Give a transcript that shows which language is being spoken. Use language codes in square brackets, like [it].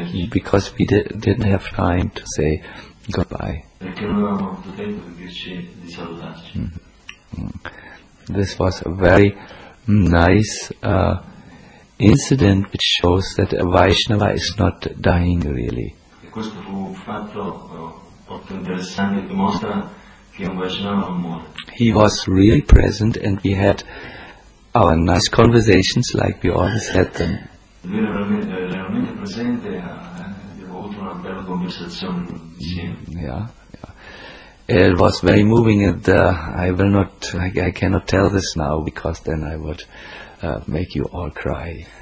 [en] Because we didn't have time to say goodbye. [it] Perché non avevamo molto tempo per dirci di salutarci. [en] This was a very nice incident which shows that a Vaishnava is not dying really. [it] E questo fu un fatto molto interessante che mostra che un Vaishnava non muore. [en] He was really present and we had our nice conversations like we always had them. [it] Lui era realmente presente, abbiamo avuto una bella conversazione insieme. [en] Yeah. It was very moving, and I cannot tell this now, because then I would make you all cry.